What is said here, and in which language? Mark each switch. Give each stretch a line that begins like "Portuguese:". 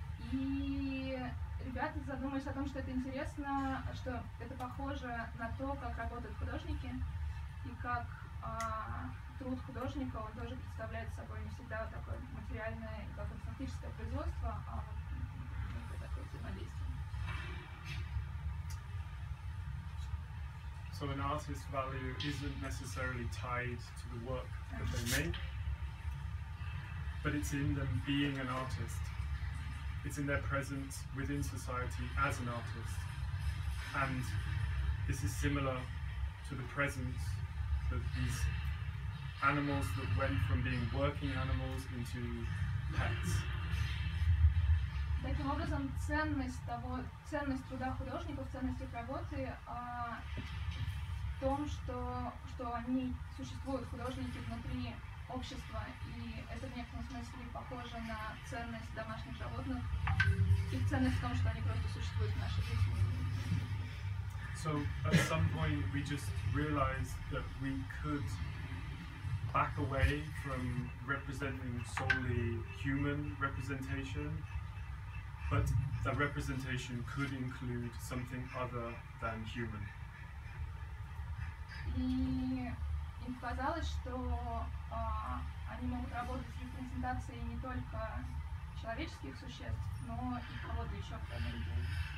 Russian: И ребята задумались о том, что это интересно, что это похоже на то, как работают художники, и как труд художника, он тоже представляет собой не всегда такое материальное, как фактическое производство, а вот такое взаимодействие.
English: So an artist's value isn't necessarily tied to the work that they make, but it's in them being an artist. It's in their presence within society as an artist. And this is similar to the presence that these animals that went from being working animals into pets.
Russian: Таким образом, ценность труда художников, ценность их работы в том, что они существуют, художники, внутри общества, и это в некотором смысле похоже на ценность домашних животных и ценность в том, что они просто существуют в нашей жизни.
English: So at some point we just realized that we could back away from representing solely human representation, but that representation could include something other than human.
Russian: И им показалось, что они могут работать с репрезентацией не только человеческих существ, но и кого-то еще, кто они будут.